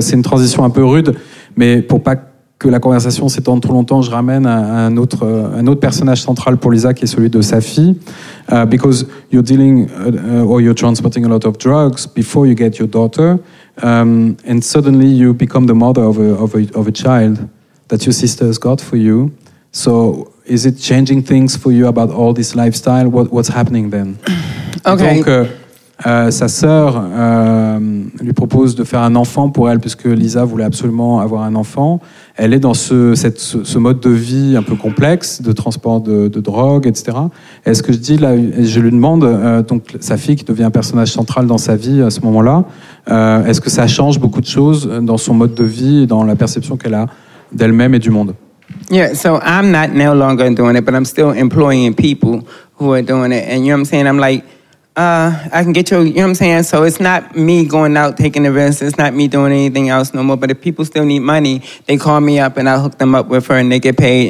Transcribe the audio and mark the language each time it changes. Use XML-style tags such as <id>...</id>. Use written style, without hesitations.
<fr>C'est une transition un peu rude, mais pour pas que la conversation s'étende trop longtemps, je ramène un autre personnage central pour Lisa qui est celui de sa fille.</fr> <en>Because you're dealing or you're transporting a lot of drugs before you get your daughter, and suddenly you become the mother of a child that your sister has got for you. So is it changing things for you about all this lifestyle? What's happening then? Okay.</en> <fr>Donc, Sa sœur lui propose de faire un enfant pour elle, puisque Lisa voulait absolument avoir un enfant. Elle est dans ce mode de vie un peu complexe, de transport de drogue, etc. Et ce que je dis là, je lui demande, donc sa fille qui devient un personnage central dans sa vie à ce moment-là, est-ce que ça change beaucoup de choses dans son mode de vie et dans la perception qu'elle a d'elle-même et du monde?</fr> <en>Yeah, so I'm not no longer doing it, but I'm still employing people who are doing it. And you know what I'm saying? I'm like, I can get you, you know what I'm saying? So it's not me going out taking events. It's not me doing anything else no more. But if people still need money, they call me up and I hook them up with her and they get paid.</en>